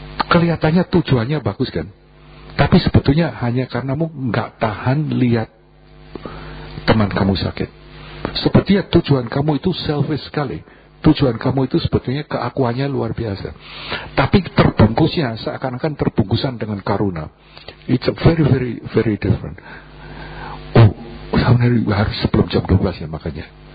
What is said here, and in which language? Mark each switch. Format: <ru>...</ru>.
<id>Kelihatannya tujuannya bagus kan, tapi sebetulnya hanya karena kamu gak tahan lihat teman kamu sakit. Sepertinya tujuan kamu itu selfish sekali. Tujuan kamu itu sebetulnya keakuannya luar biasa. Tapi terbungkusnya seakan-akan terbungkusan dengan karuna.</id> <en>It's a very, very, very different.</en> <id>Oh, sebenarnya harus sebelum jam 12 ya makanya.</id>